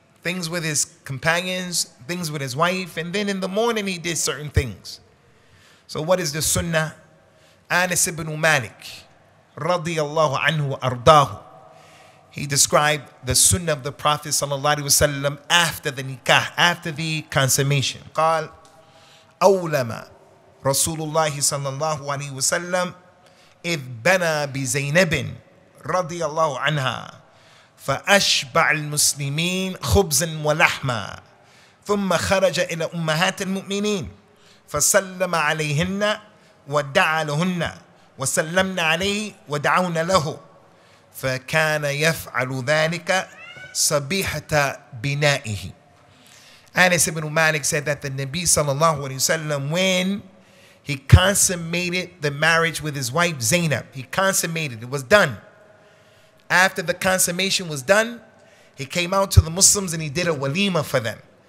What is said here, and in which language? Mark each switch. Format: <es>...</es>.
<en>Things with his companions, things with his wife, and then in the morning he did certain things. So what is the sunnah? Anas ibn Malik, radiallahu anhu ardahu. He described the sunnah of the Prophet sallallahu alaihi wasallam after the nikah, after the consummation.</en> <ar>قال أولما رسول الله صلى الله عليه وسلم إذ بنى بزينب رضي الله عنها فأشبع المسلمين خبزا ولحما ثم خرج إلى أمهات المؤمنين فسلم عليهن ودعا لهن وسلمنا عليه ودعونا له فكان يفعل ذلك صبيحة بنائه.</ar> <en>Anas ibn Malik said that the Nabi sallallahu alayhi wa sallam, when he consummated the marriage with his wife Zainab, he consummated, it was done. After the consummation was done, he came out to the Muslims and he did a walima for them.</en>